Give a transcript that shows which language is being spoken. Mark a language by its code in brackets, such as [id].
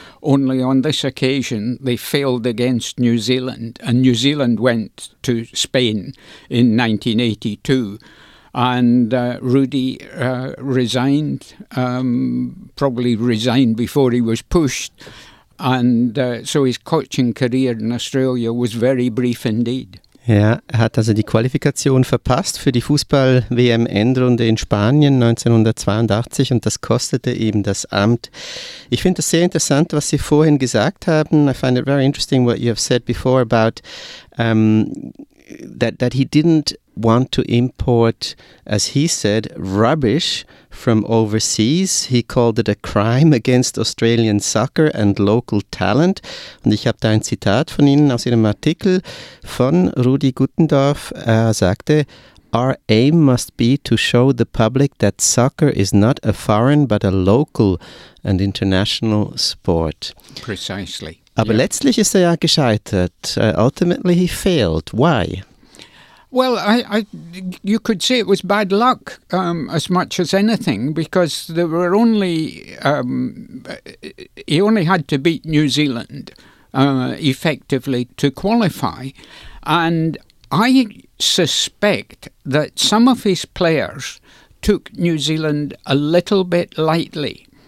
[en] Only on this occasion they failed against New Zealand, and New Zealand went to Spain in 1982. And Rudi resigned, probably resigned before he was pushed. And so his coaching career in Australia was very brief indeed. [de] Ja, er hat also die Qualifikation verpasst für die Fußball-WM-Endrunde in Spanien 1982 und das kostete ihm das Amt. Ich finde es sehr interessant, was Sie vorhin gesagt haben. [en] I find it very interesting what you have said before about that he didn't want to import, as he said, rubbish from overseas. He called it a crime against Australian soccer and local talent. [de] Und ich habe da ein Zitat von Ihnen aus Ihrem Artikel von Rudi Guttendorf. Er sagte, [en] "Our aim must be to show the public that soccer is not a foreign but a local and international sport." Precisely. [de] Aber yeah. Letztlich ist er ja gescheitert. [en] Ultimately he failed. Why? Well, I, you could say it was bad luck as much as anything, because there were only he only had to beat New Zealand effectively to qualify, and I suspect that some of his players took New Zealand a little bit lightly.